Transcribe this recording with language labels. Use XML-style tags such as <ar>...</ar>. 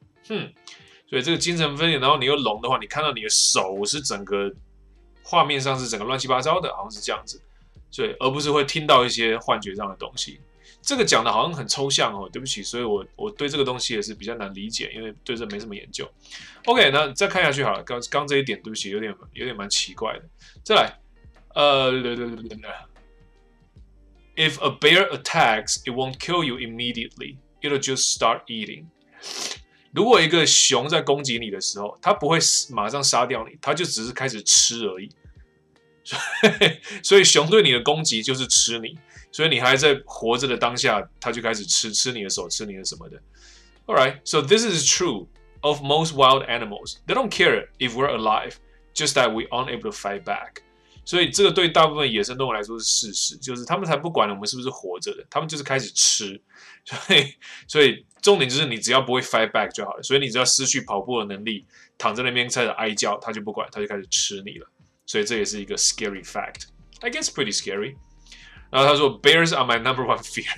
<zh>所以这个精神分裂，然后你又聋的话，你看到你的手是整个画面上是整个乱七八糟的，好像是这样子，所以而不是会听到一些幻觉上的东西。这个讲的好像很抽象哦，对不起，所以我对这个东西也是比较难理解，因为对这没什么研究。 OK, 那再看下去好了，刚这一点，对不起，有点蛮奇怪的。再来，</zh> <en>If a bear attacks, it won't kill you immediately. It'll just start eating.</en> <zh>如果一个熊在攻击你的时候，它不会马上杀掉你，它就只是开始吃而已。所以熊对你的攻击就是吃你，所以你还在活着的当下，它就开始吃你的手，吃你的什么的。</zh> <en>Alright, so this is true of most wild animals. They don't care if we're alive, just that we aren't able to fight back.</en> <zh>所以这个对大部分野生动物来说是事实，就是他们才不管我们是不是活着的，他们就是开始吃。所以重点就是你只要不会</zh> <en>fight back</en> <zh>就好了，所以你只要失去跑步的能力，躺在那边开始哀叫，他就不管，他就开始吃你了。所以这也是一个</zh> <en>scary fact. I guess pretty scary.</en> <zh>然后他说</zh> <en>bears are my number one fear.</en>